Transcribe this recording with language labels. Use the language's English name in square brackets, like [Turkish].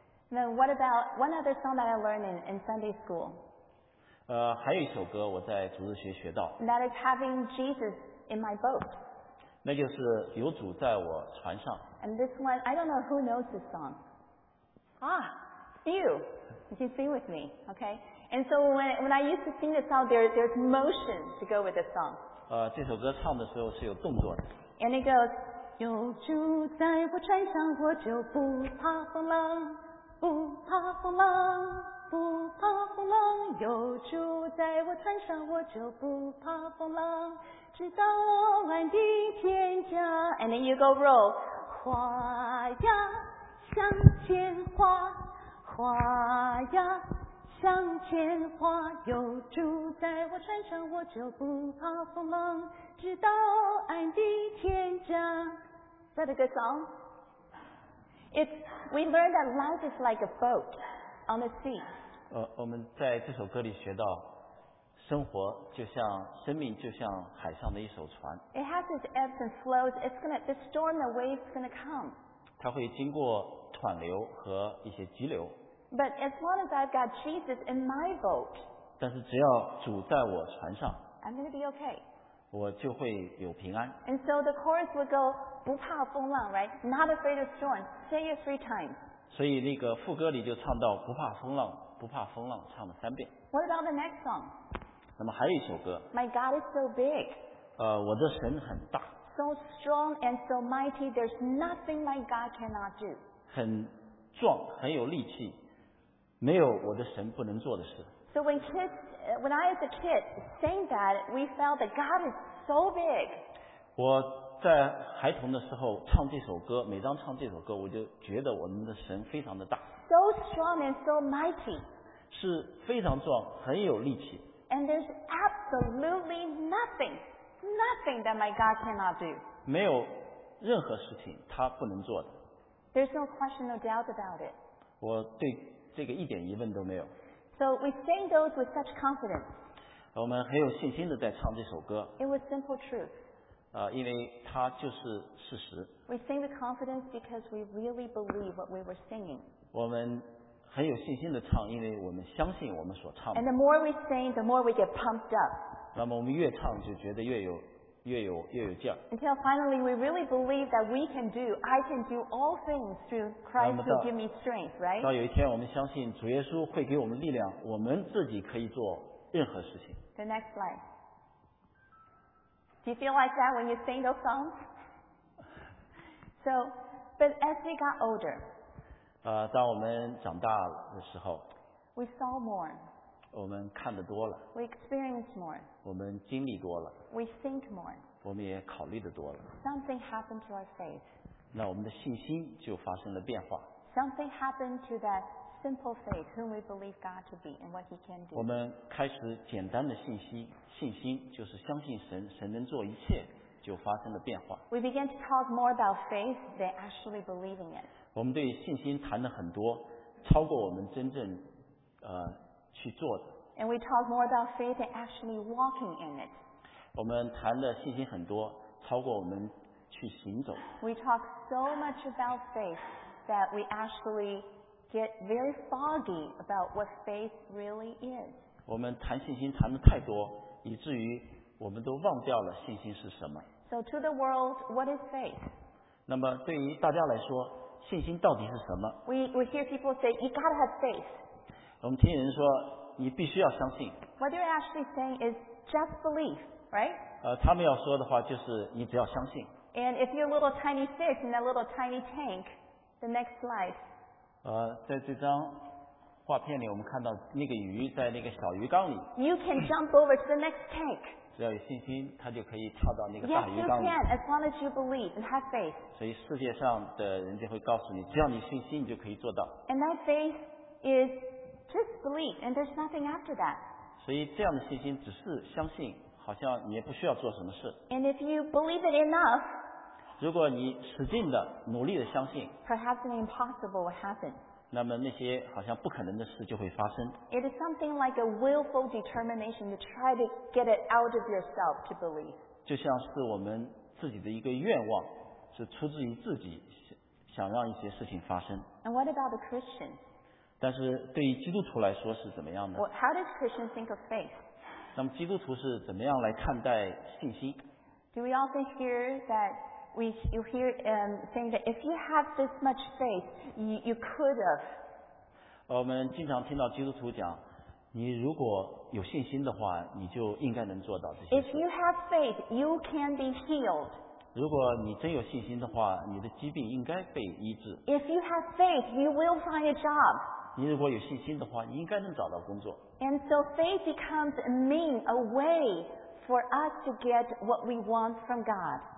[English] Then what about one other song that I learned in Sunday school? [Chinese] 还有一首歌我在主日学学到。 [English] That is having Jesus in my boat. [Chinese] 那就是有主在我船上。 [English] And this one, I don't know who knows this song. Ah, you. You can sing with me, okay? And so when I used to sing this song, there's motion to go with this song. [Chinese] 这首歌唱的时候是有动作的。 [English] And it goes, [Chinese] 有主在我船上，我就不怕风浪，不怕风浪，不怕风浪。有主在我船上，我就不怕风浪。直到我安定天家 [English] And then you go roll [Chinese] 花呀向前花花呀向前花有住在我船上我就不怕风浪直到安定天家 [English] Is that a good song? We learned that life is like a boat on the sea [Chinese] 我们在这首歌里学到生活就像生命就像海上的一艘船。 [English] It has its ebbs and flows. It's gonna the storm, the waves gonna come. [Chinese] 它会经过湍流和一些急流。 [English] But as long as I've got Jesus in my boat. [Chinese] 但是只要主在我船上。 [English] I'm gonna be okay. [Chinese] 我就会有平安。 [English] And so the chorus would go, [Chinese] 不怕风浪 [English] ，right? Not afraid of storm. Say it three times. [Chinese] 所以那个副歌里就唱到不怕风浪，不怕风浪，唱了三遍。 [English] What about the next song? [Chinese] 那么还有一首歌。 [English] My God is so big. [Chinese] 我的神很大。 [English] So strong and so mighty, there's nothing my God cannot do. [Chinese] 很壮，很有力气，没有我的神不能做的事。 [English] So when kids, when I as a kid sang that, we felt that God is so big. [Chinese] 我在孩童的时候唱这首歌，每当唱这首歌，我就觉得我们的神非常的大。 [English] So strong and so mighty. [Chinese] 是非常壮，很有力气。 [English] And there's absolutely nothing, nothing that my God cannot do. [Chinese] 没有任何事情他不能做的。 [English] There's no question, no doubt about it. [Chinese] 我对这个一点疑问都没有。 [English] So we sang those with such confidence. [Chinese] 我们很有信心的在唱这首歌。 [English] It was simple truth. [Chinese] 因为它就是事实。 [English] We sang with confidence because we really believe what we were singing. [Chinese] 我们很有信心的唱，因为我们相信我们所唱的。 [English] And the more we sing, the more we get pumped up. [Chinese] 那么我们越唱就觉得越有劲。 [English] Until finally, we really believe that we can do, I can do all things through Christ who give me strength, right? [Chinese] 到有一天我们相信主耶稣会给我们力量，我们自己可以做任何事情。 [English] The next slide. Do you feel like that when you sing those songs? So, but as we got older, [Chinese] 当我们长大的时候， [English] we saw more. [Chinese] 我们看得多了。 [English] We experienced more. [Chinese] 我们经历多了。 [English] We think more. [Chinese] 我们也考虑的多了。 [English] Something happened to our faith. [Chinese] 那我们的信心就发生了变化。 [English] Something happened to that simple faith whom we believe God to be and what He can do. [Chinese] 我们开始简单的信心就是相信神，神能做一切，就发生了变化。 [English] We began to talk more about faith than actually believing it. [Chinese] 我们对信心谈了很多，超过我们真正去做的。 [English] And we talk more about faith than actually walking in it. [Chinese] 我们谈的信心很多，超过我们去行走。 [English] We talk so much about faith that we actually get very foggy about what faith really is. [Chinese] 我们谈信心谈的太多，以至于我们都忘掉了信心是什么。 [English] So to the world, what is faith? [Chinese] 那么对于大家来说，信心到底是什么？ [English] We hear people say, you gotta have faith. [Chinese] 我们听人说，你必须要相信。 [English] What they're actually saying is just belief. Right? [Chinese] 他们要说的话就是你只要相信。 [English] And if you're a little tiny fish in that little tiny tank, the next slide. [Chinese] 在这张画片里我们看到那个鱼在那个小鱼缸里。 [English] You can jump over to the next tank. [Chinese] 只要有信心它就可以跳到那个大鱼缸里。 [English] Yes, you can, as long as you believe and have faith. [Chinese] 所以世界上的人就会告诉你，只要你信心你就可以做到。 [English] And that faith is just belief and there's nothing after that. [Chinese] 所以这样的信心只是相信。好像你也不需要做什么事。 [English] And if you believe it enough, [Chinese] 如果你使劲的努力的相信， [English] perhaps an impossible will happen. [Chinese] 那么那些好像不可能的事就会发生。 [English] It is something like a willful determination to try to get it out of yourself to believe. [Chinese] 就像是我们自己的一个愿望，是出自于自己想让一些事情发生。 [English] And what about the Christian? [Chinese] 但是对于基督徒来说是怎么样的？ [English] Well, how does Christian think of faith? [Chinese] 那么基督徒是怎么样来看待信心？ [English] Do we often hear that you hear saying that if you have this much faith, you could have? [Chinese] 我们经常听到基督徒讲，你如果有信心的话，你就应该能做到这些。 [English] If you have faith, you can be healed. [Chinese] 如果你真有信心的话，你的疾病应该被医治。 [English] If you have faith, you will find a job. [Chinese] 你如果有信心的话，你应该能找到工作。 [English] And so faith becomes a mean, a way for us to get what we want from God.